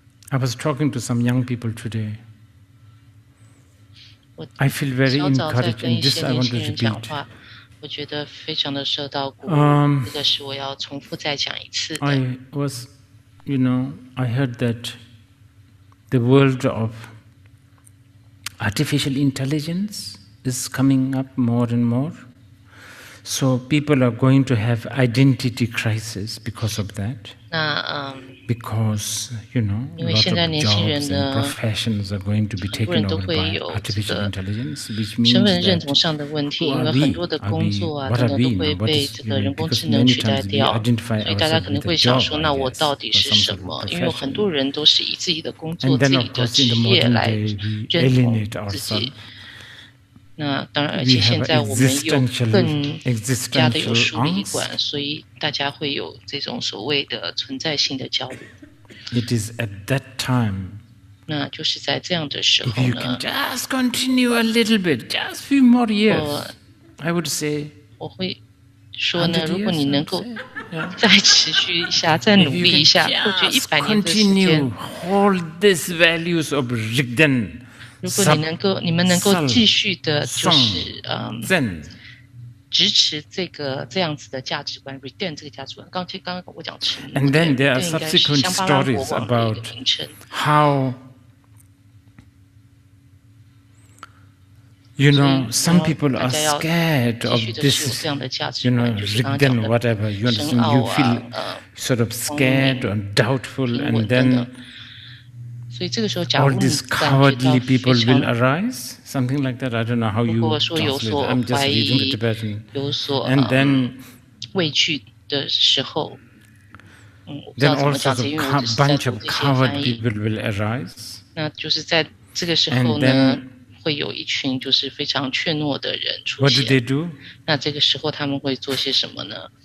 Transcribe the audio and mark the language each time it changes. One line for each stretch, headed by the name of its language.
English: I was talking to some young people today. I feel very encouraged, and this I want to repeat.
Chinese: 我觉得非常的受到鼓舞。这个是我要重复再讲一次的。
English: I was, you know, I heard that the world of artificial intelligence is coming up more and more. So people are going to have identity crisis because of that. Because, you know, a lot of jobs and professions are going to be taken over by artificial intelligence, which means that who are we? What are we? What is, you know, because many times we identify ourselves with a job, I guess, or some sort of profession. And then, of course, in the modern day, we alienate ourselves.
Chinese: 那当然，而且现在我们有更加的有疏离感，所以大家会有这种所谓的存在性的焦虑。
English: It is at that time.
Chinese: 那就是在这样的时候呢。
English: If you can just continue a little bit, just few more years, I would say.
Chinese: 我会说呢，如果你能够再持续一下，再努力一下，过去一百年的时间。
English: Continue hold these values of Rigden.
Chinese: 如果你能够，你们能够继续的，就是支持这个这样子的价值观 ，retain 这个价值观。刚刚我讲持名
English: ，and then there are subsequent stories about how you know some people are scared of this, you know, retain whatever you understand. You feel sort of scared or doubtful, and then.
Chinese: 所以这个时候，假如
English: all these cowardly people will arise, something like that. I don't know how you translate. I'm just reading the Tibetan. And then,
Chinese: 畏惧的时候，
English: then all sorts of bunch of coward people will arise.
Chinese: 那就是在这个时候呢，
English: then,
Chinese: 会有一群就是非常怯懦的人出现。
English: What do they do?
Chinese: 那这个时候他们会做些什么呢？